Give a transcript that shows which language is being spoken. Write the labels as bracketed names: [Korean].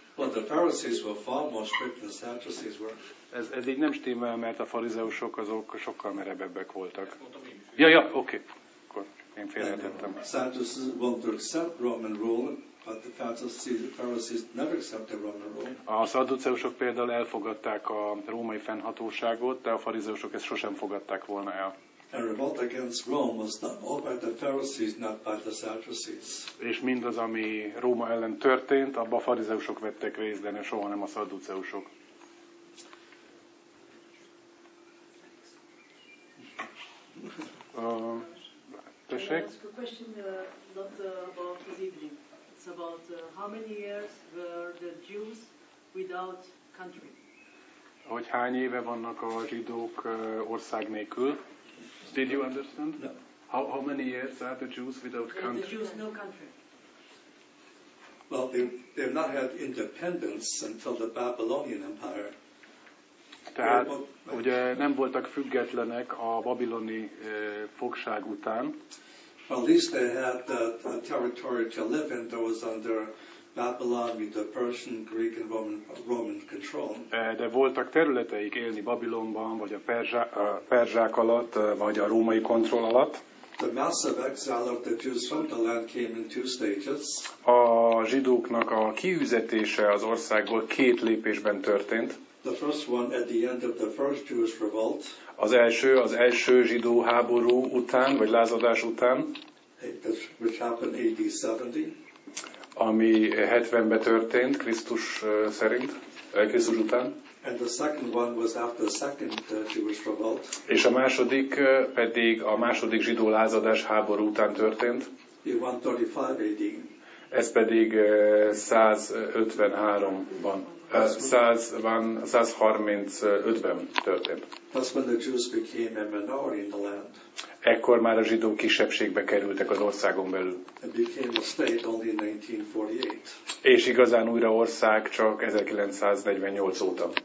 [English] But the Pharisees were far more strict than the Sadducees were. [Hungarian] Ez így nem stimmel, mert a farizeusok azok sokkal merebbek voltak. Ja, oké. Akkor én félreértettem. [English] Sadducees wanted to accept Roman rule, but the Pharisees never accepted Roman rule. [Hungarian] A szadduceusok például elfogadták a római fennhatóságot, de a farizeusok ezt sosem fogadták volna el. [English] A revolt against Rome was not by the Pharisees, not by the Sadducees. [Hungarian] És mindaz, ami Róma ellen történt, abban a farizeusok vettek részt, de soha nem a szadduceusok. Tessék? [English] A question not about this evening. It's about how many years were the Jews without country? [Hungarian] Hogy hány éve vannak a zsidók ország nélkül? [English] Did you understand? No. How many years are the Jews without country? The Jews no country. Well, they've not had independence until the Babylonian Empire. [Hungarian] Tehát, ugye nem voltak függetlenek a babiloni fogság után. [English] Well, at least they had a territory to live in that was under Babylon with the Persian, Greek and Roman control. [Hungarian] De voltak területeik élni Babilonban, vagy a perzsák alatt, vagy a római kontroll alatt. [English] The massive exile of the Jews from the land came in two stages. [Hungarian] A zsidóknak a kiüzetése az országból két lépésben történt. [English] The first one at the end of the first Jewish revolt. [Hungarian] Az első zsidó háború után, vagy lázadás után. [English] Which happened AD 70. [Hungarian] Ami 70-ben történt, Krisztus szerint, Krisztus után. [English] And the second one was after the second Jewish revolt. [Hungarian] És a második pedig a második zsidó lázadás háború után történt. [English] In 135 AD. [Hungarian] Ez pedig 153-ban. 135-ben történt. [English] That's when the Jews became a minority in the land. [Hungarian] Ekkor már a zsidó kisebbségbe kerültek az országon belül. [English] It became a state only in 1948. [Hungarian] És igazán újra ország csak 1948 óta.